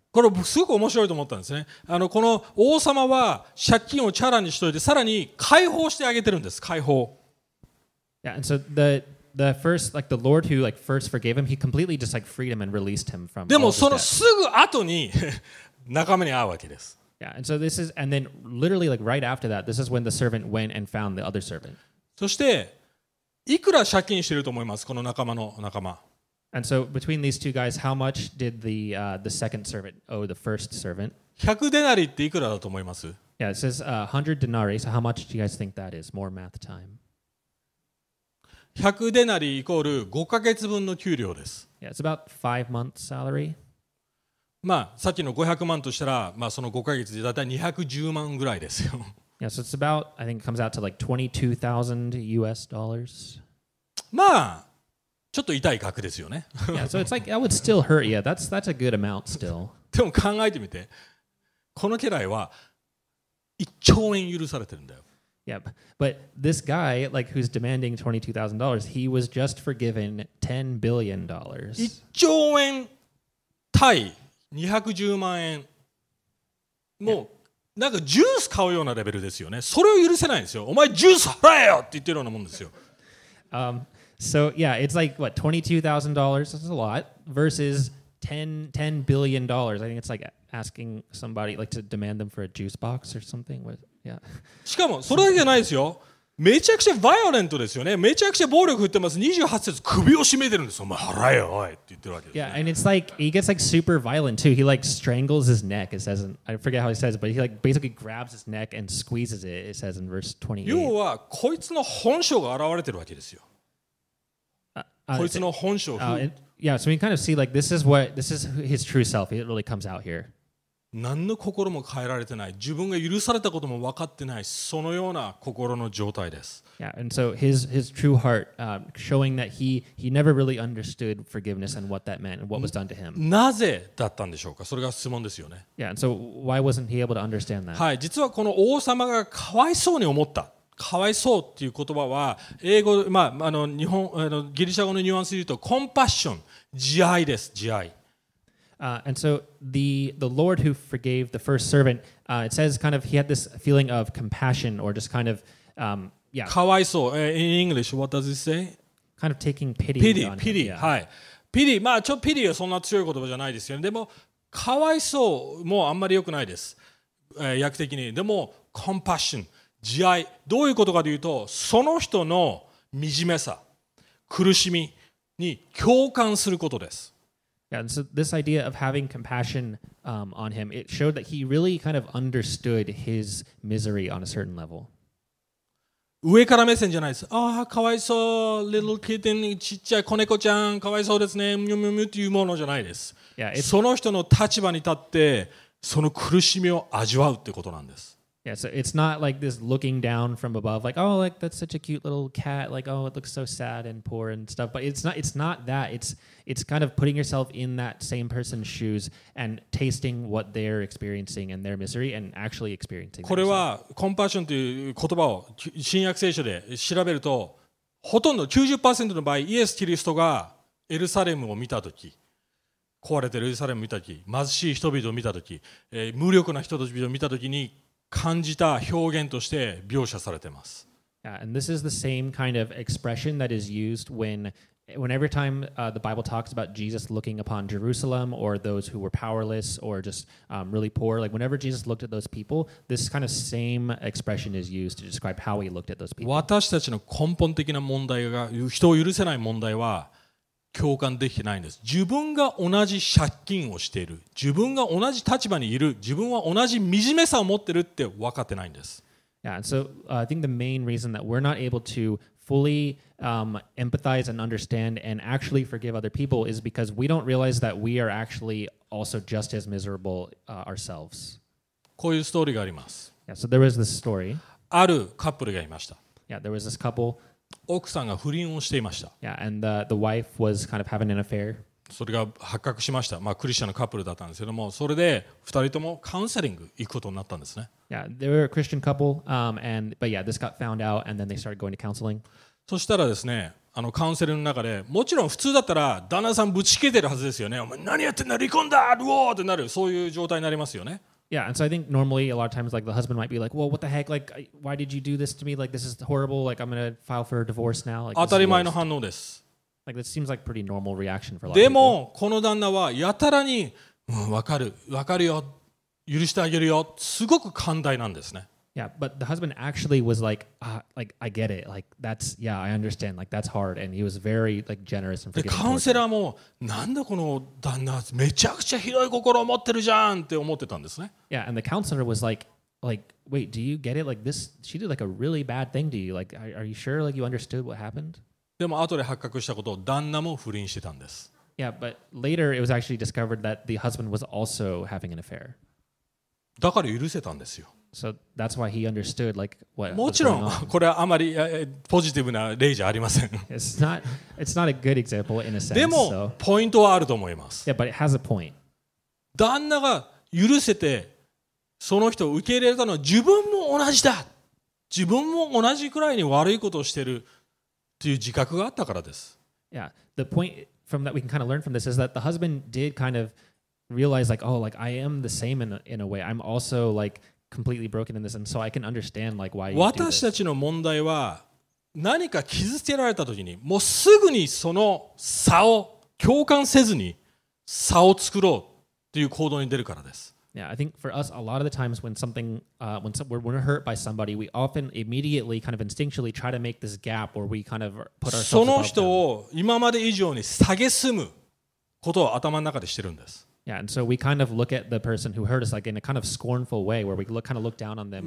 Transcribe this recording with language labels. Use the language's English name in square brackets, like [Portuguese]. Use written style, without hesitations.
[Japanese] これすごく面白いと思ったんですね。この王様は借金をチャラにしといてさらに解放してあげてるんです。解放。 [English] Yeah, and so the first like the Lord who like first forgave him, he completely just like freed him and released him from. [Japanese] でもそのすぐ後に仲間に会うわけです。 [English] Yeah, and so this is and then literally like right after that, this is when the servant went and found the other servant. [Japanese] そしていくら借金してると思いますこの仲間の仲間。 [English] And so between these two guys, how much did the second servant owe the first servant? [Japanese] 100 denarii っていくらだと思います [English] Yeah, it says 100 denarii. So how much do you guys think that is? More math time. [Japanese] 100デナリーイコール5ヶ月分の給料です。 [English] Yeah, it's about 5 month salary. [Japanese] まあ、さっきの500万としたら、まあ、その5ヶ月でだいたい210万ぐらいですよ。 [English] Yeah, so it's about, I think it comes out to like $22,000. [Japanese] まあ、ちょっと痛い額ですよね。 [English] Yeah, so it's like, that would still hurt. Yeah, that's a good amount still. [Japanese] でも考えてみて、この家来は1兆円許されてるんだよ。 [English] Yep, but this guy, like, who's demanding $22,000, he was just forgiven $10 billion. [Japanese] 1兆円対210万円。もう、なんかジュース買うようなレベルですよね。それを許せないんですよ。お前ジュース払えよって言ってるようなもんですよ。 [English] So, yeah, it's like, what, $22,000? That's a lot. Versus $10 billion. I think it's like asking somebody, like, to demand them for a juice box or something with... Yeah. [Japanese] しかもそれだけじゃないですよ。めちゃくちゃバイオレントですよね。めちゃくちゃ暴力振ってます。 28節首を絞めてるんです。お前払えよおいって言ってるわけです、ね。 [English] Yeah, and it's like he gets like super violent too. He like strangles his neck. It says, I forget how he says, but he like basically grabs his neck and squeezes it. It says in verse 28. [Japanese] 要はこいつの本性が現れてるわけですよ。こいつの本性。 [English] Yeah, so we kind of see like this is his true self. It really comes out here. [Japanese] 何の心も変えられてない、自分が許されたことも分かってない、そのような心の状態です。 [English] Yeah, and so his true heart, showing that he never really understood forgiveness and what that meant and what was done to him. [Japanese] なぜだったんでしょうか？それが質問ですよね。 [English] Yeah, and so why wasn't he able to understand that? [Japanese] はい、実はこの王様がかわいそうに思った。かわいそうっていう言葉は、英語、まあ、あの日本、あのギリシャ語のニュアンスで言うと、コンパッション、慈愛です、慈愛。 [English] And so the Lord who forgave the first servant, it says kind of he had this feeling of compassion or just kind of, yeah. かわいそう。In English, what does it say? Kind of taking pity. Pity, on pity. Him,、 [Japanese] はい、pity, まあちょ pity はそんな強い言葉じゃないですよね。でも、かわいそうもあんまり良くないです。訳的に。でも、compassion, 慈愛。どういうことかというと、その人の惨めさ、苦しみに共感することです。 [English] Yeah, and so this idea of having compassion on him, it showed that he really kind of understood his misery on a certain level. [Japanese] 上から目線じゃないです。ああ、かわいそう、 [English] little kitten、 [Japanese] ちっちゃい子猫ちゃん、かわいそうですね、むにゅむにゅっていうものじゃないです。 [English] Yeah, [Japanese] その人の立場に立って、その苦しみを味わうってことなんです。 [English] Yeah, so it's not like this looking down from above, like, oh, like, that's such a cute little cat, like, oh, it looks so sad and poor and stuff. But it's not that. It's kind of putting yourself in that same person's shoes and tasting what they're experiencing and their misery and actually experiencing [Japanese] これは、compassion という言葉を新約聖書で調べると、ほとんど 90% の場合、イエス・キリストがエルサレムを見たとき、壊れてるエルサレムを見たとき、貧しい人々を見たとき、無力な人々を見たときに、感じた表現として描写されています。 [English] Yeah, and this is the same kind of expression that is used when every time the Bible talks about Jesus looking upon Jerusalem or those who were powerless or just really poor, like whenever Jesus looked at those people, this kind of same expression is used to describe how he looked at those people. [Japanese] 私たちの根本的な問題が、人を許せない問題は共感できてないんです。自分が同じ借金をしている、自分が同じ立場にいる、自分は同じ惨めさを持ってるって分かってないんです。 [English] Yeah, so I think the main reason that we're not able to fully empathize and understand and actually forgive other people is because we don't realize that we are actually also just as miserable ourselves. [Japanese] こういうストーリーがあります。 [English] Yeah, so there was this story. [Japanese] あるカップルがいました。 [English] Yeah, there was this couple. [Japanese] 奥さんが不倫をしていました。 [English] Yeah, and the wife was kind of having an affair. [Japanese] それが発覚しました。まあ、クリスチャンのカップルだったんですけども、それで2人ともカウンセリング行くことになったんですね。 [English] Yeah, they were a Christian couple, but yeah, this got found out, and then they started going to counseling. [Japanese] そしたらですね、あのカウンセリングの中で、もちろん普通だったら旦那さんぶち切れてるはずですよね。お前何やってんだ、離婚だ、ルオーってなる、そういう状態になりますよね。 [English] Yeah, and so I think normally a lot of times like the husband might be like, well, what the heck? Like, why did you do this to me? Like, this is horrible. Like, I'm going to file for a divorce now. Like, [Japanese] 当たり前の反応です。 [English] Like, this seems like pretty normal reaction for a lot of people. [Japanese] でも、この旦那はやたらに、わかる、わかるよ、許してあげるよ、すごく寛大なんですね。 [English] Yeah, but the husband actually was like, I get it. Like, that's, yeah, I understand. Like, that's hard. And he was very, like, generous and forgiving. [Japanese] カウンセラーも、なんだこの旦那、めちゃくちゃ広い心を持ってるじゃんって思ってたんですね。 [English] Yeah, and the counselor was like, wait, do you get it? Like, this, she did like a really bad thing to you. Like, are you sure, like, you understood what happened? [Japanese] でも後で発覚したことを旦那も不倫してたんです。 [English] Yeah, but later it was actually discovered that the husband was also having an affair. [Japanese] だから許せたんですよ。 [English] So that's why he understood like what. [Japanese] もちろんこれはあまりポジティブな例じゃありません。 [English] It's not a good example in a sense. [Japanese] でも、 [English] so. [Japanese] ポイントはあると思います。 [English] Yeah, but it has a point. [Japanese] 旦那が許せてその人を受け入れたのは自分も同じだ。自分も同じくらいに悪いことをしているという自覚があったからです。 [English] Yeah, the point from that we can kind of learn from this is that the husband did kind of realize like, oh, like I am the same in a way. I'm also like completely broken in this, and so I can understand like why. [Japanese] 私たちの問題は何か傷つけられたときに、もうすぐにその差を共感せずに差を作ろうという行動に出るからです。 [English] Yeah, I think for us, a lot of the times when something, when we're hurt by somebody, we often immediately kind of instinctually try to make this gap where we kind of put ourselves above them. [Japanese] その人を今まで以上に下げすむことを頭の中でしてるんです。 [English] Yeah, and so we kind of look at the person who hurt us like in a kind of scornful way where we look, kind of look down on them.